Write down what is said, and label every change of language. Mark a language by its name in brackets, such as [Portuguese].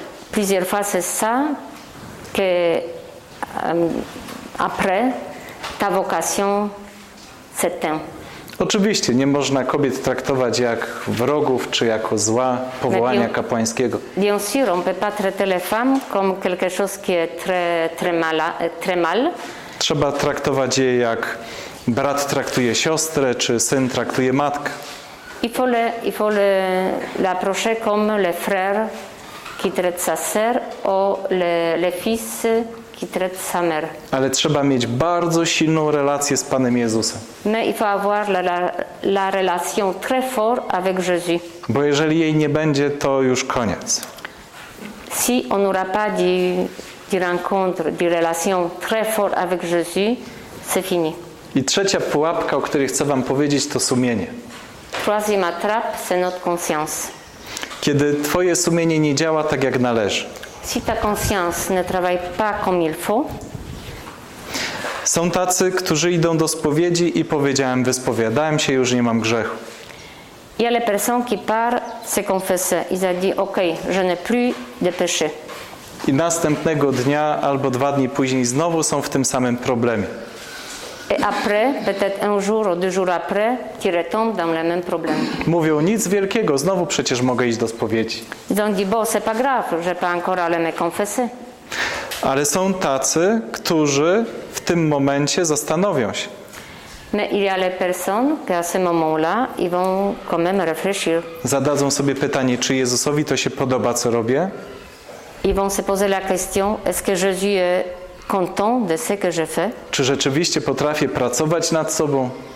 [French] Plusieurs fois c'est ça que après ta vocation s'éteint. [Polish] Oczywiście nie można kobiet traktować jak wrogów czy jako zła powołania kapłańskiego. [French] Bien sûr, on peut pas traiter les femmes comme quelque chose qui est très mal. [Polish] Trzeba traktować je jak brat traktuje siostrę czy syn traktuje matkę. [French] Il faut l'approcher comme le frère qui traite sa sœur ou le fils qui traite sa mère. [Polish] Ale trzeba mieć bardzo silną relację z Panem Jezusem. [French] Mais il faut avoir la relation très fort avec Jésus. [Polish] Bo jeżeli jej nie będzie, to już koniec. [French] Si on n'aura pas de rencontre, de relation très fort avec Jésus, c'est fini. [Polish] I trzecia pułapka, o której chcę wam powiedzieć, to sumienie. [French] Troisième attrape, c'est notre conscience. [Polish] Kiedy twoje sumienie nie działa tak jak należy. [French] Si ta conscience ne travaille pas comme il faut. [Polish] Są tacy, którzy idą do spowiedzi i powiedziałem, wyspowiadałem się, już nie mam grzechu. [French] Il y a les personnes qui partent se confesser. Ils ont dit, ok, je n'ai plus de péché. [Polish] I następnego dnia albo dwa dni później znowu są w tym samym problemie. [French] Et après, peut-être un jour ou deux jours après, tu retombes dans le même problème. [Polish] Mówią, nic wielkiego, znowu przecież mogę iść do spowiedzi. [French] Ils ont dit, bon, c'est pas grave, je peux encore aller me confesser. [Polish] Ale są tacy, którzy w tym momencie zastanowią się. [French] Mais il y a les personnes qui à ce moment-là, ils vont quand même réfléchir. [Polish] Zadadzą sobie pytanie, czy Jezusowi to się podoba, co robię? [French] Ils vont se poser la question, est-ce que Jésus est content de ce que je fais? [Polish] Czy rzeczywiście potrafię pracować nad sobą?